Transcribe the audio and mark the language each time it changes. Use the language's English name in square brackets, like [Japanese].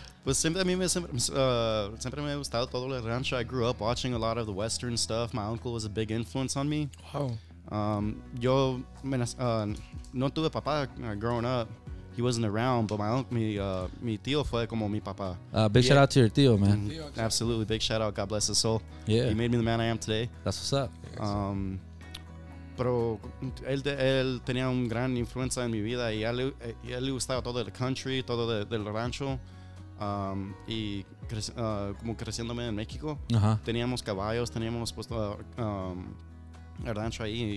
[Spanish] Pues siempre me ha gustado todo el rancho. [English] I grew up watching a lot of the Western stuff. My uncle was a big influence on me. Wow. [Spanish] No tuve papá [English] growing up. He wasn't around, but [Spanish] mi tío fue como mi papá. [English] Big shout out to your tío, man. Absolutely, big shout out. God bless his soul. Yeah, he made me the man I am today. That's what's up. [Spanish] Pero él tenía un gran influencia en mi vida y él le gustaba todo el country, todo del rancho. Y como creciéndome en México, teníamos caballos, teníamos puesto el rancho ahí.